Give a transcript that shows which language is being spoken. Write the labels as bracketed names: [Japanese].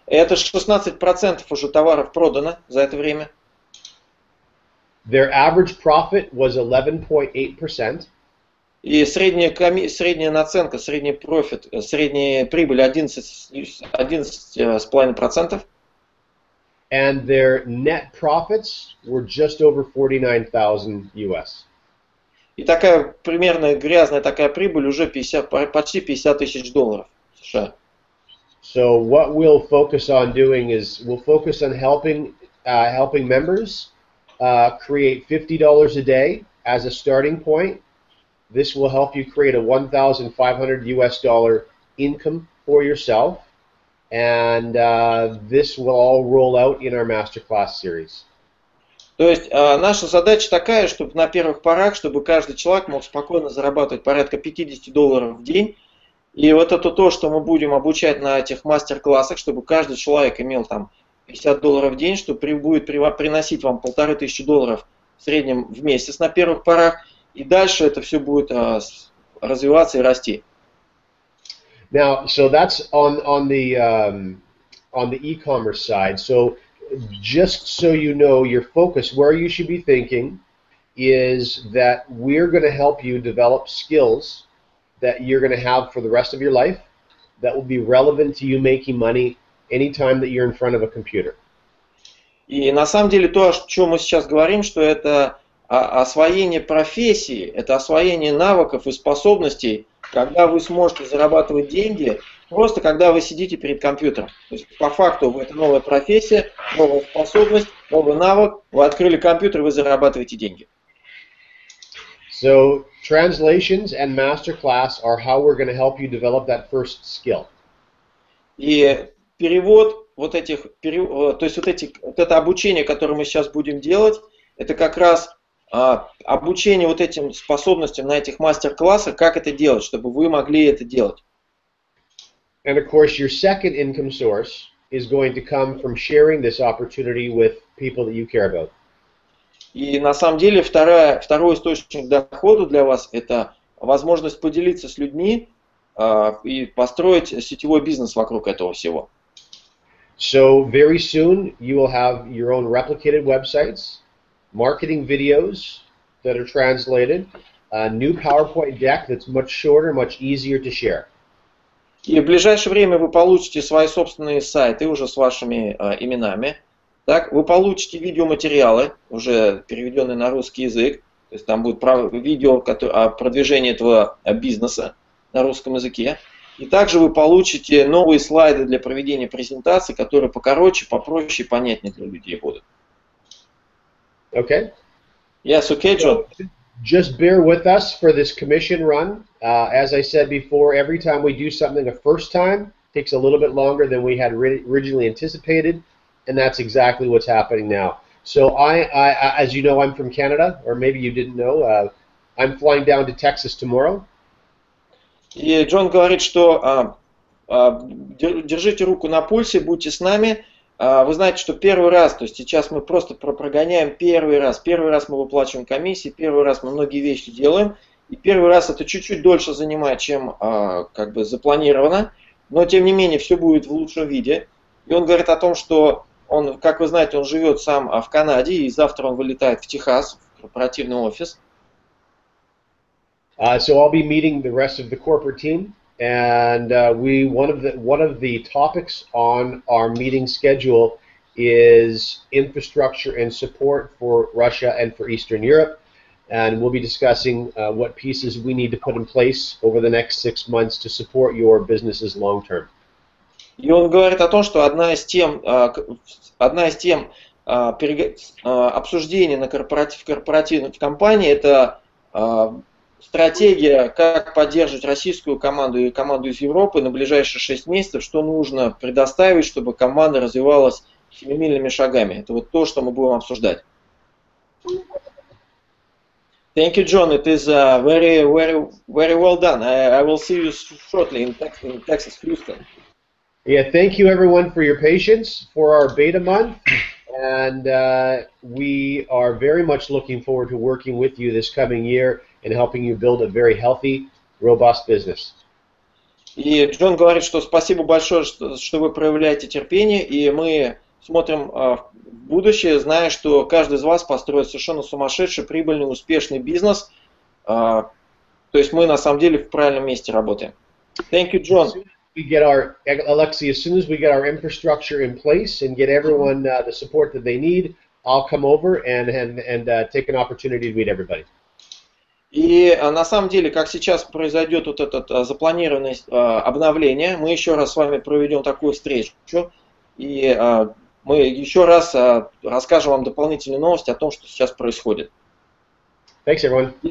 [Russian] Это 16% уже товаров продано за это время. [English] Their average profit was 11.8%. [Russian] И средняя наценка, средний профит, средняя прибыль 11.5%. [English] And their net profits were just over 49,000 US. [Russian] И такая примерно грязная такая прибыль уже 50, почти 50 тысяч долларов США. [English] So what we'll focus on doing is we'll focus on helping members create $50 a day as a starting point. This will help you create a $1,500 income for yourself. And this will all roll out in our masterclass series. [Russian] То есть наша задача такая, чтобы на первых порах, чтобы каждый человек мог спокойно зарабатывать порядка $50 в день. И вот это то, что мы будем обучать на этих мастер-классах, чтобы каждый человек имел там $50 в день, что будет приносить вам $1,500 в среднем в месяц на первых порах. И дальше это все будет развиваться и расти. [English] Now, so that's on the e-commerce side. So, just so you know, your focus, where you should be thinking, is that we're going to help you develop skills that you're going to have for the rest of your life that will be relevant to you making money anytime that you're in front of a computer. [Russian] И на самом деле то, о чем мы сейчас говорим, что это освоение профессии, это освоение навыков и способностей, когда вы сможете зарабатывать деньги, просто когда вы сидите перед компьютером. То есть, по факту, это новая профессия, новая способность, новый навык, вы открыли компьютер, вы зарабатываете деньги. [English] So, translations and masterclass are how we're going to help you develop that first skill. [Russian] И перевод вот этих, то есть, вот это обучение, которое мы сейчас будем делать, это как раз обучение вот этим способностям на этих мастер-классах, как это делать, чтобы вы могли это делать. [English] And of course, your second income source is going to come from sharing this opportunity with people that you care about. [Russian] И на самом деле второй источник дохода для вас это возможность поделиться с людьми и построить сетевой бизнес вокруг этого всего. [English] So very soon you will have your own replicated websites, marketing videos that are translated, a new PowerPoint deck that's much shorter, much easier to share. [Russian] И в ближайшее время вы получите свои собственные сайты уже с вашими именами. Так, вы получите видеоматериалы, уже переведенные на русский язык. То есть там будет видео о продвижении этого бизнеса на русском языке. И также вы получите новые слайды для проведения презентации, которые покороче, попроще, понятнее для людей будут. [English] Okay. Yes, okay, John. Just bear with us for this commission run. As I said before, every time we do something the first time, it takes a little bit longer than we had originally anticipated, and that's exactly what's happening now. So I as you know, I'm from Canada, or maybe you didn't know, I'm flying down to Texas tomorrow. [Russian] И Джон говорит, что держите руку на пульсе, будьте с нами. Вы знаете, что первый раз, то есть сейчас мы просто прогоняем первый раз мы выплачиваем комиссии, первый раз мы многие вещи делаем, и первый раз это чуть-чуть дольше занимает, чем как бы запланировано, но тем не менее все будет в лучшем виде. И он говорит о том, что он, как вы знаете, он живет сам в Канаде, и завтра он вылетает в Техас, в корпоративный офис. [English] So I'll be meeting the rest of the corporate team. And one of the topics on our meeting schedule is infrastructure and support for Russia and for Eastern Europe. And we'll be discussing what pieces we need to put in place over the next 6 months to support your businesses long term. [Russian] И он говорит о том, что одна из тем обсуждения на корпоративной компании это стратегия, как поддерживать российскую команду и команду из Европы на ближайшие 6 месяцев, что нужно предоставить, чтобы команда развивалась семимильными шагами. Это вот то, что мы будем обсуждать. [English] Thank you, John. It is very well done. I will see you shortly in Texas, Houston. Yeah, thank you, everyone, for your patience for our beta month. And we are very much looking forward to working with you this coming year and helping you build a very healthy, robust business. [Russian] И Джон говорит, что спасибо большое, что вы проявляете терпение, и мы смотрим в будущее, зная, что каждый из вас построит совершенно сумасшедший, прибыльный, успешный бизнес. То есть мы на самом деле в правильном месте работаем. [English] Thank you, John. We get our Alexei, as soon as we get our infrastructure in place and get everyone the support that they need, I'll come over and take an opportunity to meet everybody. [Russian] И на самом деле, как сейчас произойдет вот это запланированное обновление, мы еще раз с вами проведем такую встречу, и мы еще раз расскажем вам дополнительные новости о том, что сейчас происходит. [English] Thanks, everyone.